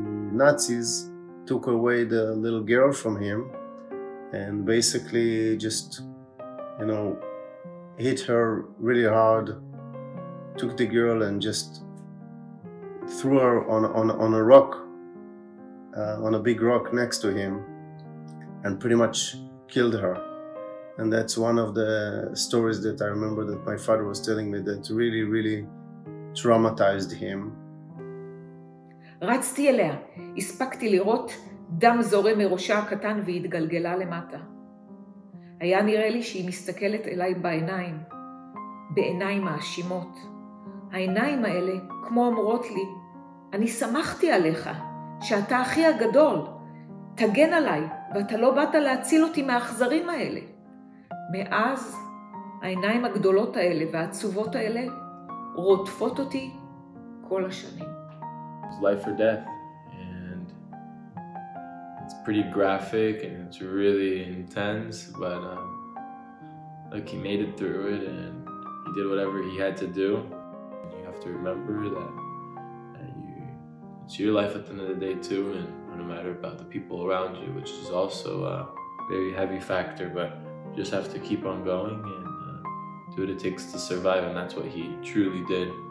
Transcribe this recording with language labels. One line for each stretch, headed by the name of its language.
English: The Nazis took away the little girl from him and basically just, you know, hit her really hard, took the girl and just threw her on a rock, on a big rock next to him, and pretty much killed her. And that's one of the stories that I remember that my father was telling me that really, really traumatized him.
Hebrew: רצתי אליה, הספקתי לראות דם זורם מראשה הקטן והתגלגלה למטה. היה נראה לי שהיא מסתכלת אליי בעיניים, בעיניים מאשימות. העיניים האלה כמו אומרות לי, אני שמחתי עליך, שאתה אחי הגדול, תגן עליי, ואתה לא באת להציל אותי מהאכזרים האלה. מאז העיניים הגדולות האלה והעצובות האלה רוטפות אותי כל השנים.
English: It's life or death, and it's pretty graphic and it's really intense, but look, he made it through it and he did whatever he had to do. And you have to remember that it's your life at the end of the day too, and no matter about the people around you, which is also a very heavy factor, but you just have to keep on going and do what it takes to survive, and that's what he truly did.